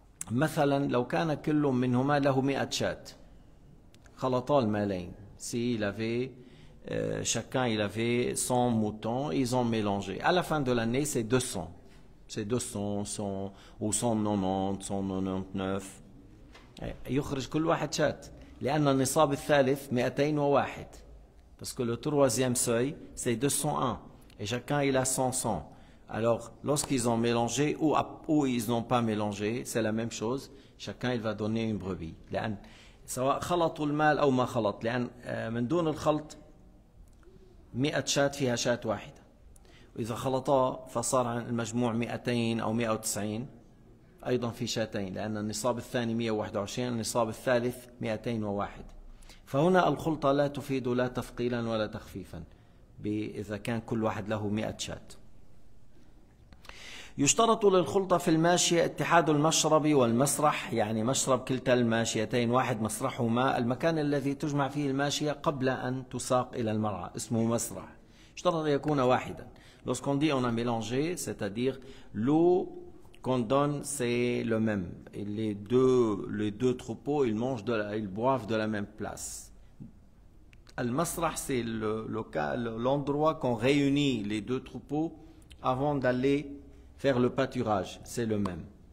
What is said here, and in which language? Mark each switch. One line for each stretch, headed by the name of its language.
Arabic: مثلا لو كان كل منهما له 100 شاة خلطا المالين.
French: Si il avait chacun il avait 100 moutons, ils ont mélangé. À la fin de l'année, c'est 200. C'est 200, 100 ou 190, 199.
Arabic: يخرج كل واحد شاة، لأن النصاب الثالث 201.
French: Parce que le troisième seuil, c'est 201. Et chacun il a 100. Alors, lorsqu'ils ont mélangé ou ils n'ont pas mélangé, c'est la même chose. Chacun il va donner une brebis.
Arabic: لأن سواء خلطوا المال أو ما خلط، لأن من دون الخلط 100 شاة فيها شاة واحدة. وإذا خلطا فصار عن المجموع 200 أو 190، أيضا في شاتين، لأن النصاب الثاني 121، النصاب الثالث 201. فهنا الخلطة لا تفيد لا تثقيلا ولا تخفيفا، إذا كان كل واحد له 100 شاة. يشترط للخلطة في الماشية اتحاد المشرب والمسرح، يعني مشرب كلتا الماشيتين واحد، مسرحهما المكان الذي تجمع فيه الماشية قبل أن تساق إلى المرعى اسمه مسرح. يشترط أن يكون واحدا.
French: Lorsqu'on dit on a mélangé, c'est-à-dire l'eau qu'on donne c'est le même. Les deux troupeaux ils mangent ils boivent de la même place. المسرح c'est le local, l'endroit qu'on réunit les deux troupeaux avant d'aller faire le pâturage, c'est le même.